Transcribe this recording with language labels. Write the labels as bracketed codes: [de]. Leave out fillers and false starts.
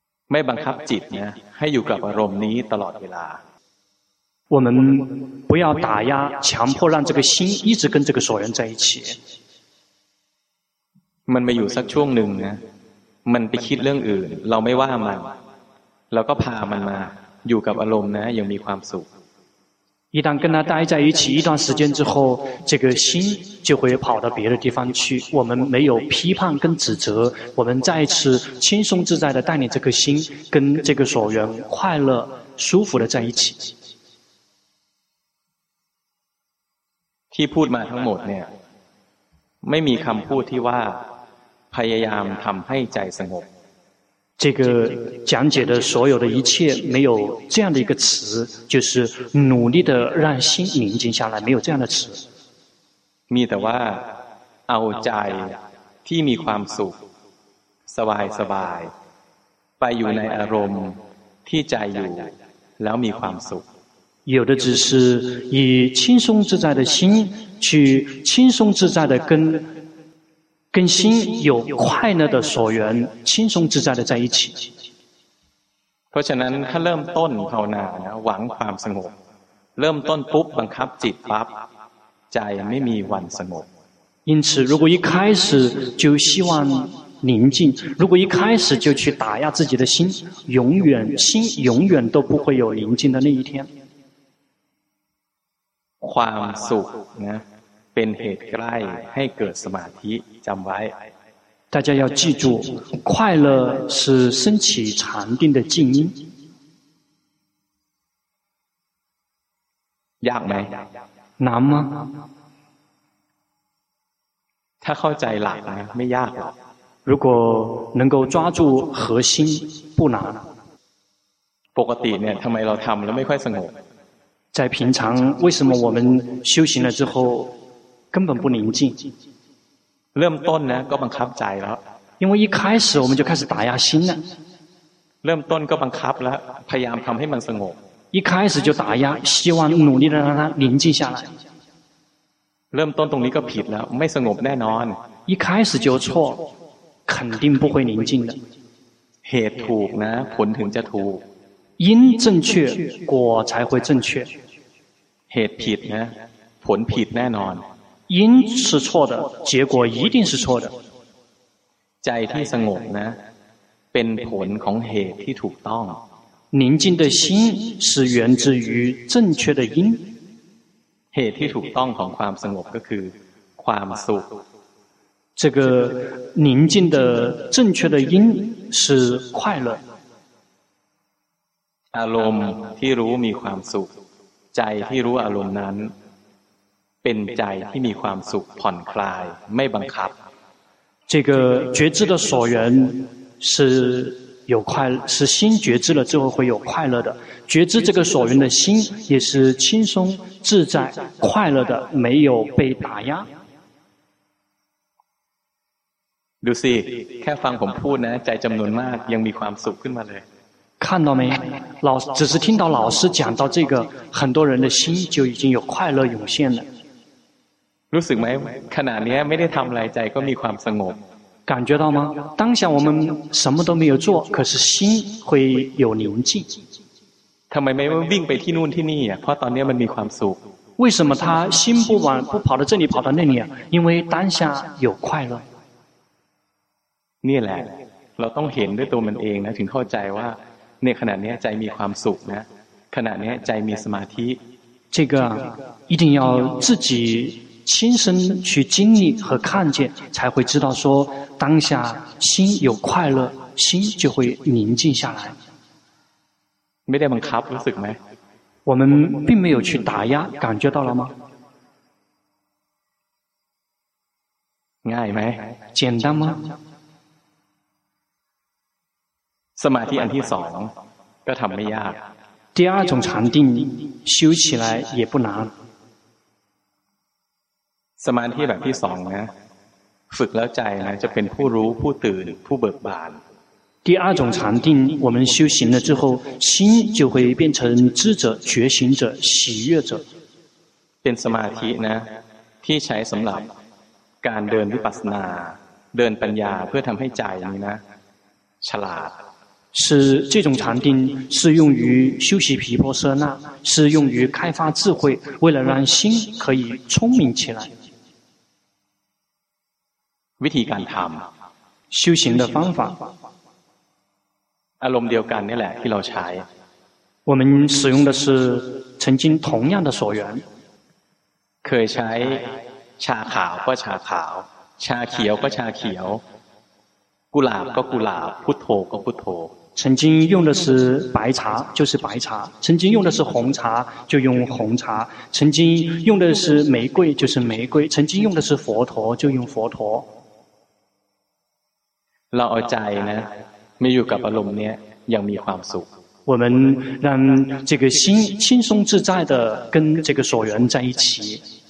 [th] ไม่บังคับจิตเนี่ยให้อยู่กับอารมณ์นี้ตลอดเวลา [zh] 我们不要打压强迫让这个心一直跟这个所缘在一起 [th] มันไปอยู่สักช่วงหนึ่งนะมันไปคิดเรื่องอื่นเราไม่ว่ามันเราก็พามันมาอยู่กับอารมณ์นะยังมีความสุข [zh] 一旦跟他待在一起一段时间之后这个心就会跑到别的地方去我们没有批判跟指责我们再一次轻松自在的带领这个心跟这个所缘快乐舒服的在一起 [th] ที่พูดมาทั้งหมดเนี่ยไม่มีคำพูดที่ว่าพยายามทำให้ใจสงบ [zh] 这个讲解的所有的一切没有这样的一个词就是努力的让心宁静下来没有这样的词 [th] มีแต่ว่าเอาใจที่มีความสุขสบายสบายไปอยู่ในอารมณ์ที่ใจอยู่แล้วมีความสุข [zh] 有的只是以轻松自在的心去轻松自在的跟心有快乐的所缘轻松自在的在一起 [th] เพราะฉะนั้นถ้าเริ่มต้นภาวนาหวังความสงบเริ่มต้นปุ๊บบังคับจิตปั๊บใจไม่มีวันสงบ [zh] 因此如果一开始就希望宁静，如果一开始就去打压自己的心，永远心永远都不会有宁静的那一天。 [th] ความสุขนะเป็นเหตุใกล้ให้เกิดสมาธิจำไว้ [zh] 大家要记住，快乐是升起禅定的静音。 [th] ยากไหม [zh] 难吗？ [th] ถ้าเข้าใจหลักนะไม่ยากหรอก [zh] 如果能够抓住核心不难。 [th] ปกติเนี่ยทำไมเราทำแล้วไม่ค่อยสงบ [zh] 在平常为什么我们修行了之后根本不宁静 [th] เริ่มต้นนะก็บังคับใจแล้ว [zh] 因为一开始我们就开始打压心了 [th] เริ่มต้นก็บังคับแล้วพยายามทำให้มันสงบ [zh] 一开始就打压希望努力的让它宁静下来 [th] เริ่มต้นตรงนี้ก็ผิดแล้วไม่สงบแน่นอน [zh] 一开始就错肯定不会宁静的 [th] เหตุถูกนะผลถึงจะถูก [zh] 因正确果才会正确 [th] เหตุผิดนะผลผิดแน่นอน [zh] 因是错的结果一定是错的 [th] ใจที่สงบนะเป็นผลของเหตุที่ถูกต้อง [zh] 宁静的心是源自于正确的因 [th] เหตุที่ถูกต้องของความสงบก็คือความสุข [zh] 这个宁静的正确的因是快乐 [th] อารมณ์ที่รู้มีความสุขใจที่รู้อารมณ์นั้นเป็นใจที่มีความสุขผ่อนคลายไม่บังคับ [zh] 这个觉知的所缘是有快是心觉知了之后会有快乐的觉知这个所缘的心也是轻松自在快乐的没有被打压 [th] ดูสิแค่ฟังผมพูดนะใจจำนวนมากยังมีความสุขขึ้นมาเลย [zh] 看到没老只是听到老师讲到这个很多人的心就已经有快乐涌现了 [th] รู้สึกไหมขณะนี้ไม่ได้ทำอะไรใจก็มีความสงบ [zh] 感觉到吗当下我们什么都没有做可是心会有宁静 [th] ทำไมไม่วิ่งไปที่นู่นที่นี่เพราะตอนนี้มันมีความสุข [zh] 为什么他心不往不跑到这里跑到那里因为当下有快乐 [th] นี่แหละเราต้องเห็นด้วยตัวมันเองนะถึงเข้าใจว่าในขณะนี้ใจมีความสุขนะขณะนี้ใจมีสมาธิ [zh] 这个一定要自己亲身去经历和看见才会知道说当下心有快乐心就会宁静下来 [th] ไม่ได้บังคับรู้สึกไหม [zh] 我们并没有去打压感觉到了吗 [th] ง่ายไหม [zh] 简单吗 [th] สมาธิอันที่สองก็ทำไม่ยาก [zh] 第二种禅定修起来也不难 [th] สมาธิแบบที่สองนะฝึกแล้วใจนะจะเป็นผู้รู้ผู้ตื่นผู้เบิกบาน [zh] 第二种禅定我们修行了之后心就会变成知者觉醒者喜悦者 [th] เป็นสมาธินะที่ใช้สำหรับการเดินวิปัสสนาเดินปัญญาเพื่อทำให้ใจนี้นะฉลาด [zh] 是这种禅定是用于修习毗婆舍那是用于开发智慧为了让心可以聪明起来 [th] วิธีการทำ [zh] 修行的方法 [th] อารมณ์เดียวกันนี่แหละที่เราใช้ [zh] 我们使用的是曾经同样的所缘 [th] เคยใช้ชาขาวก็ชาขาวชาเขียวก็ชาเขียวกุหลาบก็กุหลาบพุทโธก็พุทโธ [zh] 曾经用的是白茶就是白茶曾经用的是红茶就用红茶曾经用的是玫瑰就是玫瑰曾经用的是佛陀就用佛陀 [th] เราเอาใจนะไม่อยู่กับอารมณ์เนี้ยยังมีความสุข [zh] 我们让这个心轻松自在的跟这个所缘在一起